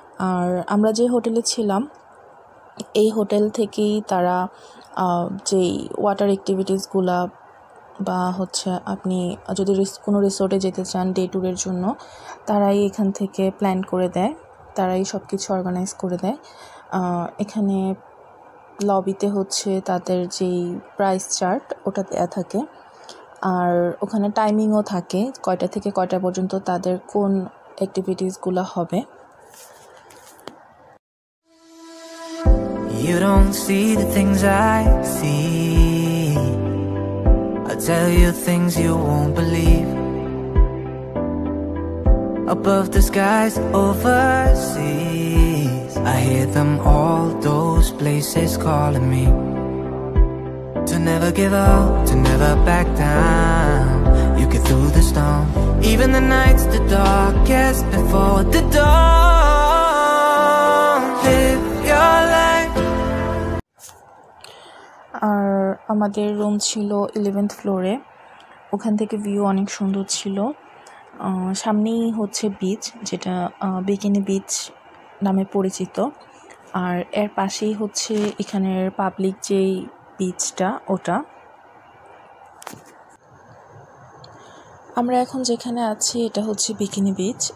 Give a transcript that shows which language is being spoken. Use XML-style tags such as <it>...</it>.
<bn>আর আমরা যে হোটেলে ছিলাম, এই হোটেল থেকেই তারা যেই ওয়াটার অ্যাক্টিভিটিসগুলো বা হচ্ছে আপনি যদি কোনো রিসোর্টে যেতে চান ডে ট্যুরের জন্য, তারাই এখান থেকে প্ল্যান করে দেয়, তারাই সব কিছু অর্গানাইজ করে দেয়। এখানে লবিতে হচ্ছে তাদের যেই প্রাইস চার্ট ওটা দেওয়া থাকে। আর ওখানে টাইমিংও থাকে কয়টা থেকে কয়টা পর্যন্ত তাদের কোন অ্যাক্টিভিটিসগুলো হবে।</bn> <en>You don't see the things I see. I'll tell you things you won't believe. Above the skies, overseas, I hear them all, those places calling me. To never give up, to never back down. You get through the storm. Even the night's the darkest before the dawn. Live your life.</en> <bn>আর আমাদের room ছিল 11th ফ্লোরে। ওখান থেকে view অনেক সুন্দর ছিল। সামনেই হচ্ছে বিচ, যেটা বিকিনি বিচ নামে পরিচিত। আর এর পাশেই হচ্ছে এখানের পাবলিক যেই বিচটা, ওটা আমরা এখন যেখানে আছি এটা হচ্ছে বিকিনি বিচ।</bn>